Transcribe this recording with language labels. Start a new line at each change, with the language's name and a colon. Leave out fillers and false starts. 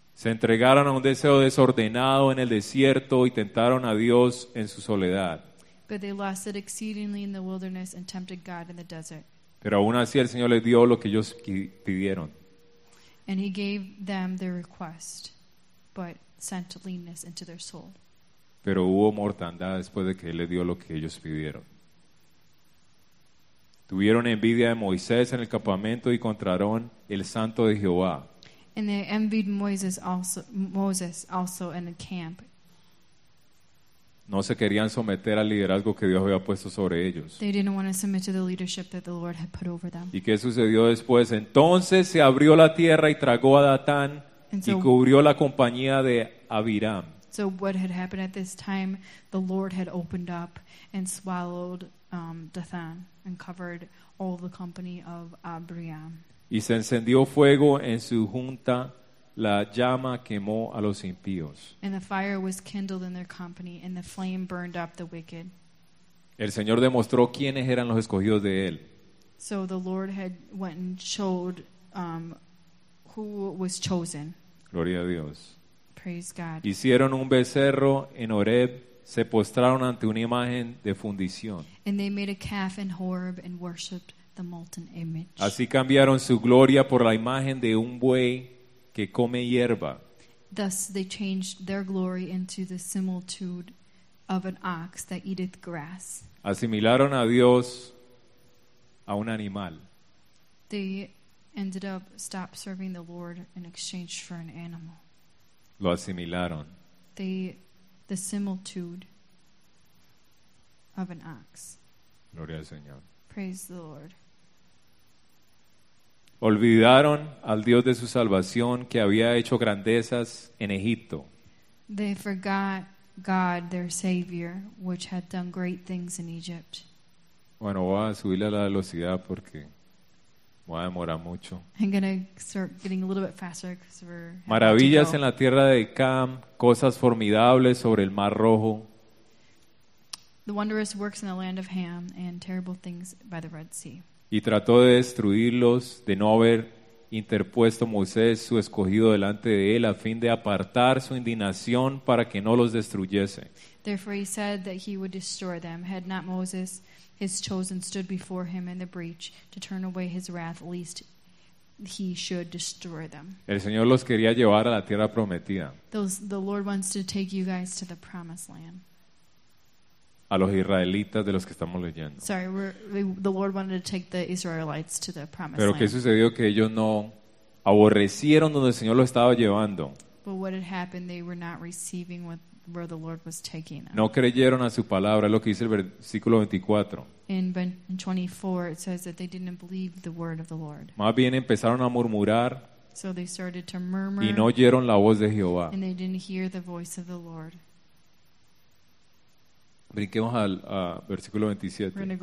Spanish: Se entregaron a un deseo desordenado en el desierto y tentaron a Dios en su soledad.
English: But they lusted exceedingly in the wilderness and tempted God in the desert.
Spanish: Pero aún así el Señor les dio lo que ellos pidieron.
English: And he gave them their request, but sent leanness into their soul.
Spanish: Pero hubo mortandad después de que él les dio lo que ellos pidieron. Tuvieron envidia de Moisés en el campamento y encontraron el santo de Jehová.
English: And they envied Moses also in the camp.
Spanish: No se querían someter al liderazgo que Dios había puesto sobre ellos.
English: They didn't want to submit to the leadership that the Lord had put over them.
Spanish: ¿Y qué sucedió después? Entonces se abrió la tierra y tragó a Datán y cubrió la compañía de Abiram.
English: So what had happened at this time, the Lord had opened up and swallowed Datán and covered all the company of Abiram.
Spanish: Y se encendió fuego en su junta. La llama quemó a los impíos.
English: And the fire was kindled in their company, and the flame burned up the wicked.
Spanish: El Señor demostró quiénes eran los escogidos de él.
English: So the Lord had went and showed who was chosen.
Spanish: Gloria a Dios.
English: Praise God.
Spanish: Hicieron un becerro en Horeb, se postraron ante una imagen de fundición.
English: And they made a calf in Horeb and worshipped the molten image.
Spanish: Así cambiaron su gloria por la imagen de un buey que come hierba.
English: Thus they changed their glory into the similitude of an ox that eateth grass.
Spanish: Asimilaron a Dios a un animal.
English: They ended up stopped serving the Lord in exchange for an animal.
Spanish: Lo asimilaron.
English: The similitude of an ox.
Spanish: Gloria al Señor.
English: Praise the Lord.
Spanish: Olvidaron al Dios de su salvación que había hecho grandezas en Egipto.
English: They forgot God, their Savior, which had done great things in Egypt.
Spanish: Bueno, voy a subirle a la velocidad porque voy a demorar mucho.
English: I'm going to start getting a little bit faster because we're
Spanish: maravillas en la tierra de Cam, cosas formidables sobre el Mar Rojo.
English: The wondrous works in the land of Ham and terrible things by the Red Sea.
Spanish: Y trató de destruirlos, de no haber interpuesto Moisés, su escogido, delante de él, a fin de apartar su indignación para que no los destruyese.
English: Therefore he said that he would destroy them, had not Moses, his chosen, stood before him in the breach to turn away his wrath, lest he should destroy them.
Spanish: El Señor los quería llevar a la tierra prometida.
English: The Lord wants to take you guys to the promised land.
Spanish: a los israelitas de los que estamos leyendo.
English: Sorry, the Lord wanted to take the Israelites to the promised land.
Spanish: Pero qué sucedió, que ellos no aborrecieron donde el Señor los estaba llevando.
English: But what had happened, they were not receiving where the Lord was taking them.
Spanish: No creyeron a su palabra, es lo que dice el versículo 24.
English: In 24 it says that they didn't believe the word of the Lord.
Spanish: Más bien empezaron a murmurar.
English: So they started to murmur.
Spanish: Y no oyeron la voz de Jehová.
English: And they didn't hear the voice of the Lord.
Spanish: Brinquemos al versículo 27.